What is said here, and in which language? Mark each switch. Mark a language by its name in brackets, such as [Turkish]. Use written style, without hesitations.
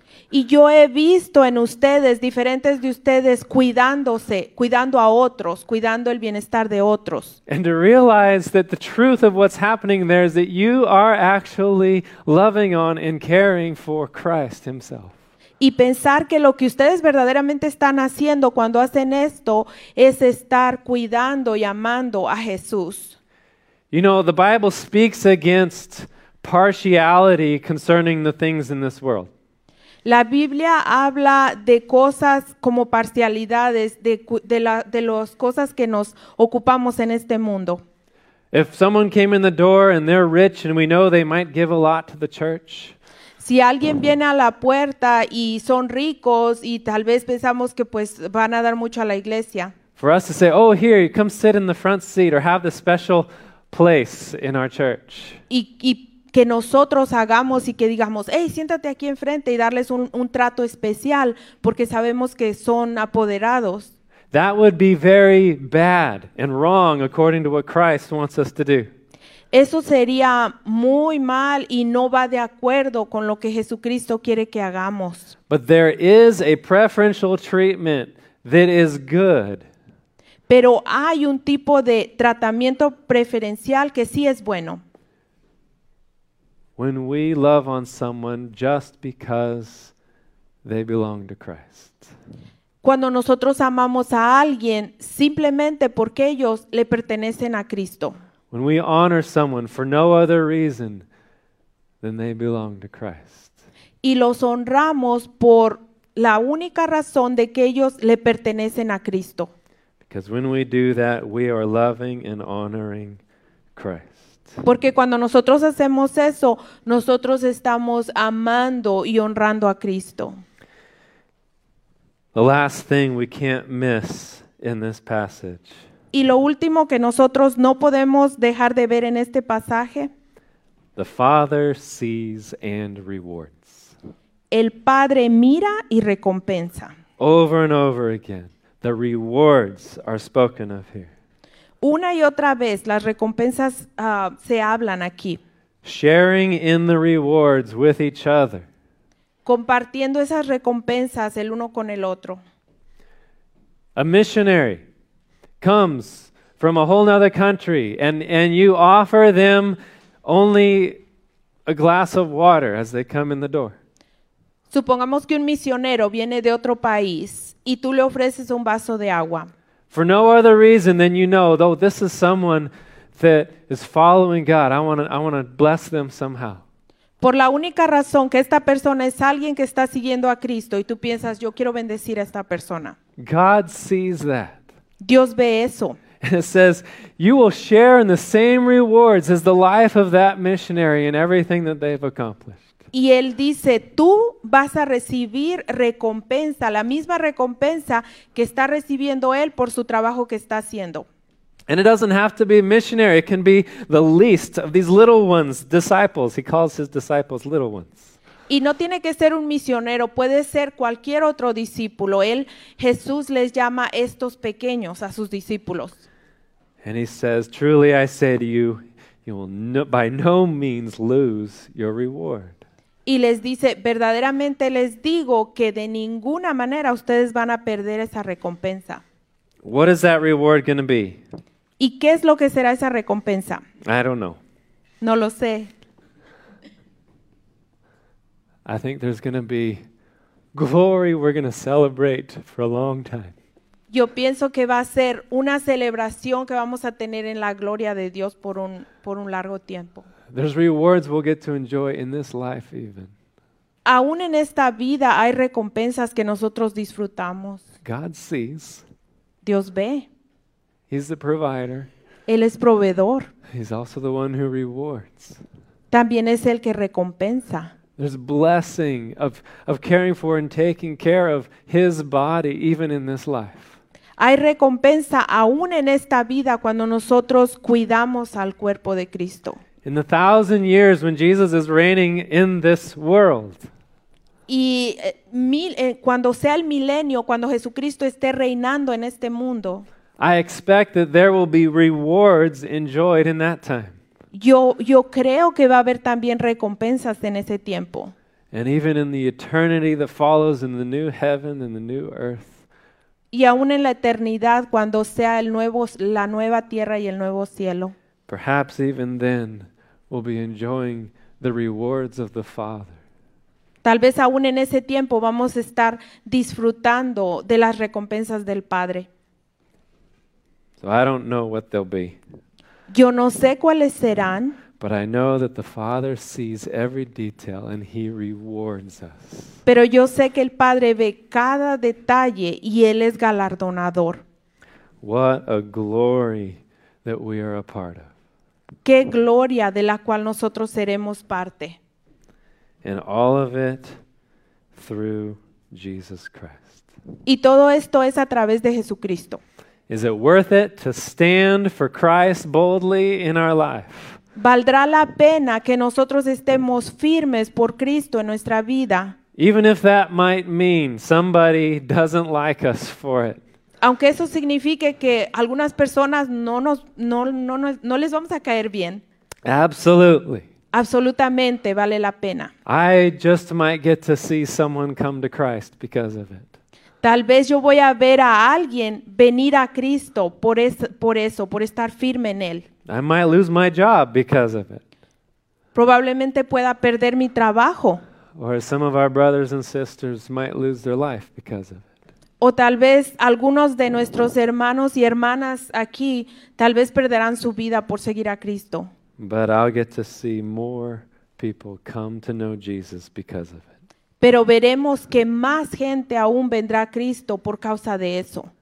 [Spanish] Y yo he visto en ustedes, diferentes de ustedes, cuidándose, cuidando a otros, cuidando el bienestar de otros. [English] And to realize that the truth of what's happening there is that you are actually loving on and caring for Christ himself. [Spanish] Y pensar que lo que ustedes verdaderamente están haciendo cuando hacen esto es estar cuidando y amando a Jesús. [English] You know, the Bible speaks against partiality concerning the things in this world. [Spanish] La Biblia habla de cosas como parcialidades, de las cosas que nos ocupamos en este mundo. [English] If someone came in the door and they're rich and we know they might give a lot to the church. [Spanish] Si alguien viene a la puerta y son ricos y tal vez pensamos que pues van a dar mucho a la iglesia. [English] for us to say, oh, here, you come sit in the front seat or have this special place in our church. [Spanish] Y que nosotros hagamos y que digamos, hey, siéntate aquí enfrente y darles un trato especial porque sabemos que son apoderados. [English] That would be very bad and wrong according to what Christ wants us to do. [Spanish] Eso sería muy mal y no va de acuerdo con lo que Jesucristo quiere que hagamos. [English] But there is a preferential treatment that is good. [Spanish] Pero hay un tipo de tratamiento preferencial que sí es bueno. [English] When we love on someone just because they belong to Christ. [Spanish] Cuando nosotros amamos a alguien simplemente porque ellos le pertenecen a Cristo. [English] When we honor someone for no other reason than they belong to Christ. [Spanish] Y los honramos por la única razón de que ellos le pertenecen a Cristo. [English] Because when we do that, we are loving and honoring Christ. [Spanish] Porque cuando nosotros hacemos eso, nosotros estamos amando y honrando a Cristo. [English] The last thing we can't miss in this passage. [Spanish] Y lo último que nosotros no podemos dejar de ver en este pasaje. [English] The Father sees and rewards. [Spanish] El Padre mira y recompensa. [English] Over and over again, the rewards are spoken of here. [Spanish] Una y otra vez, las recompensas se hablan aquí. [English] Sharing in the rewards with each other. [Spanish] Compartiendo esas recompensas el uno con el otro. [English] A missionary comes from a whole nother country and you offer them only a glass of water as they come in the door. [Spanish] Supongamos que un misionero viene de otro país y tú le ofreces un vaso de agua. [English] For no other reason than you know, though this is someone that is following God, I want to bless them somehow. [Spanish] Por la única razón que esta persona es alguien que está siguiendo a Cristo y tú piensas, yo quiero bendecir a esta persona. [English] God sees that. [Spanish] Dios ve eso. [English] And it says, you will share in the same rewards as the life of that missionary and everything that they've accomplished. [Spanish] Y él dice, tú vas a recibir recompensa, la misma recompensa que está recibiendo él por su trabajo que está haciendo. [English] And it doesn't have to be a missionary. It can be the least of these little ones, disciples. He calls his disciples little ones. [Spanish] Y no tiene que ser un misionero, puede ser cualquier otro discípulo. Él, Jesús, les llama estos pequeños a sus discípulos. [English] And he says, truly I say to you, you will no, by no means lose your reward. [Spanish] Y les dice, verdaderamente les digo que de ninguna manera ustedes van a perder esa recompensa. [English] What is that reward going to be? [Spanish] ¿Y qué es lo que será esa recompensa? [English] I don't know. [Spanish] No lo sé. [English] I think there's going to be glory we're going to celebrate for a long time. [Spanish] Yo pienso que va a ser una celebración que vamos a tener en la gloria de Dios por un largo tiempo. [English] There's rewards we'll get to enjoy in this life even. [Spanish] Aún en esta vida hay recompensas que nosotros disfrutamos. [English] God sees. [Spanish] Dios ve. [English] He's the provider. [Spanish] Él es proveedor. [English] He's also the one who rewards. [Spanish] También es el que recompensa. [English] There's blessing of caring for and taking care of his body even in this life. [Spanish] Hay recompensa aún en esta vida cuando nosotros cuidamos al cuerpo de Cristo. [English] In the 1,000 years when Jesus is reigning in this world. [Spanish] Y cuando sea el milenio, cuando Jesucristo esté reinando en este mundo. [English] I expect that there will be rewards enjoyed in that time. [Spanish] Yo creo que va a haber también recompensas en ese tiempo. [English] And even in the eternity that follows in the new heaven and the new earth. [Spanish] Y aún en la eternidad cuando sea la nueva tierra y el nuevo cielo. [English] Perhaps even then we'll be enjoying the rewards of the Father. [Spanish] Tal vez aún en ese tiempo vamos a estar disfrutando de las recompensas del Padre. [English] So I don't know what they'll be. [Spanish] Yo no sé cuáles serán. [English] But I know that the Father sees every detail and he rewards us. [Spanish] Pero yo sé que el Padre ve cada detalle y él es galardonador. [English] What a glory that we are a part of. [Spanish] Qué gloria de la cual nosotros seremos parte. [English] And all of it through Jesus Christ. [Spanish] Y todo esto es a través de Jesucristo. [English] Is it worth it to stand for Christ boldly in our life? [Spanish] ¿Valdrá la pena que nosotros estemos firmes por Cristo en nuestra vida? [English] Even if that might mean somebody doesn't like us for it. [Spanish] Aunque eso signifique que algunas personas no les vamos a caer bien. [English] Absolutely. [Spanish] Absolutamente vale la pena. [English] I just might get to see someone come to Christ because of it. [Spanish] Tal vez yo voy a ver a alguien venir a Cristo por estar firme en él. [English] I might lose my job because of it. [Spanish] Probablemente pueda perder mi trabajo. [English] Or some of our brothers and sisters might lose their life because of it. [Spanish] O tal vez algunos de nuestros hermanos y hermanas aquí tal vez perderán su vida por seguir a Cristo. [English] But I'll get to see more people come to know Jesus because of it. [Spanish] Pero veremos que más gente aún vendrá a Cristo por causa de eso.